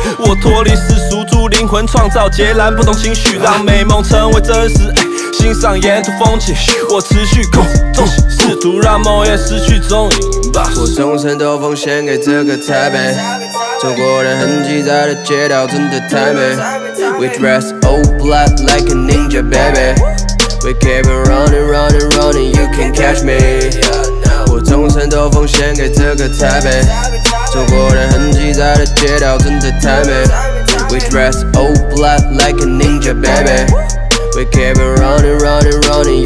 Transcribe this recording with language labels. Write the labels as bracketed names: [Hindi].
[Chinese] 我脱离世俗，助灵魂创造截然不同情绪，让美梦成为真实。欣赏沿途风景，我持续工作，试图让梦也失去踪影。我终身都奉献给这个台北，中国人痕迹在的街道真的太美。 [English] We dress all black like a ninja baby. We keep on running, running, running, you can catch me. [Chinese] 我终身都奉献给这个台北，中国人痕迹在的街道真的太美。 [English] We dress all black like a ninja baby. We keep on running, running, running.